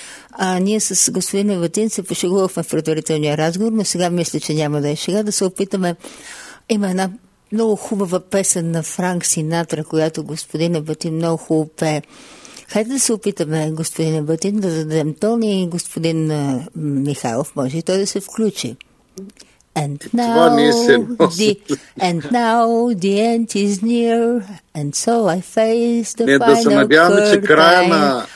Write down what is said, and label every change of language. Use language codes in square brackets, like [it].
[bg] А ние с господин Ебатин се пошегувахме в предварителния разговор, но сега мисля, че няма да е шега, да се опитаме. Има една много хубава песен на Франк Синатра, която господин Ебатин много хубаво пее. Хайде да се опитаме, господин Ебатин, да зададем тон, и господин Михайлов може и той да се включи. [en] And now the end is near, and so I face the final curtain. [bg] Не, да се надяваме, че края на...